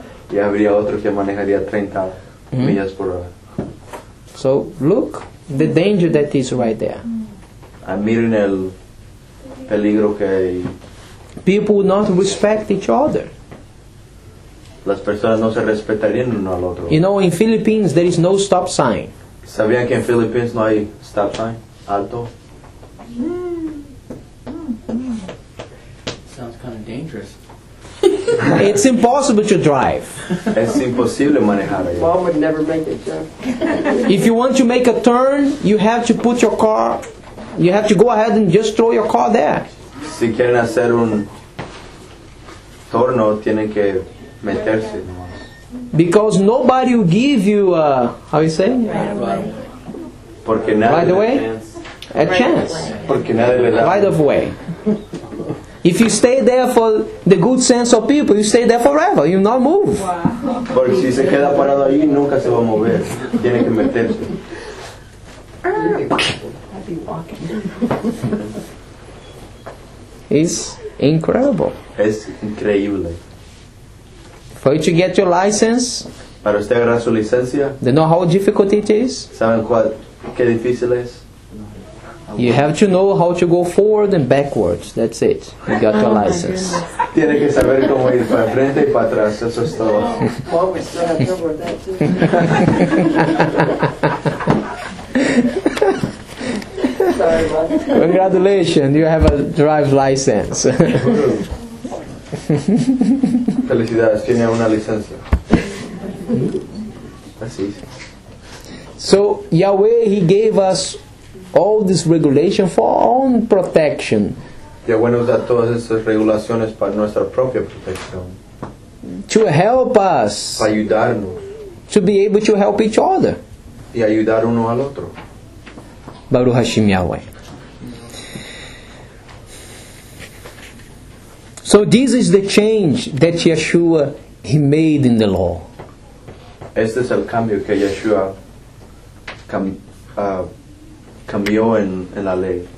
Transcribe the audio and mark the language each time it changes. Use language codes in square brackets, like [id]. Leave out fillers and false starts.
[es] Y habría otro que manejaría 30 millas por hora. [en] So look the danger that is right there. [es] Miren el peligro que hay. [en] People will not respect each other. [es] Las personas no se respetarían uno al otro. [en] You know, in Philippines there is no stop sign. [es] ¿Sabían que en Philippines no hay [en] stop sign? [es] Alto. [en] Dangerous. It's impossible to drive. [es] Es imposible manejar. [en] Mom would never make it. If you want to make a turn, you have to put your car. You have to go ahead and just throw your car there. [es] Si quieren hacer un torno, tienen que meterse. [en] Because nobody will give you a, how you say? [es] Porque nadie. [en] By the way, a chance. [es] Porque nadie le da. [en] By the way. If you stay there for the good sense of people, you stay there forever. You not move. [es] Porque si se queda parado ahí, nunca se va a mover. Tiene que meterse. [en] It's incredible. [es] Es increíble. [en] For you to get your license. [es] Para usted agarrar su licencia. [en] You know how difficult it is? [es] ¿Saben cuál, qué difícil es? [en] You have to know how to go forward and backwards. That's it. You got your license. [es] Tiene que saber cómo ir para frente y para atrás. Eso es todo. [en] Congratulations, you have a drive license. [es] Felicidades, tiene una licencia. [en] So, Yahweh, he gave us all this regulation for our own protection. [es] Yahweh nos da todas estas regulaciones para nuestra propia protección. [en] To help us. [es] Para ayudarnos. [en] To be able to help each other. [es] Y ayudar uno al otro. [he] Baruch Hashem Yahweh. [en] So this is the change that Yeshua he made in the law. [es] Este es el cambio que Yeshua cambió en la ley.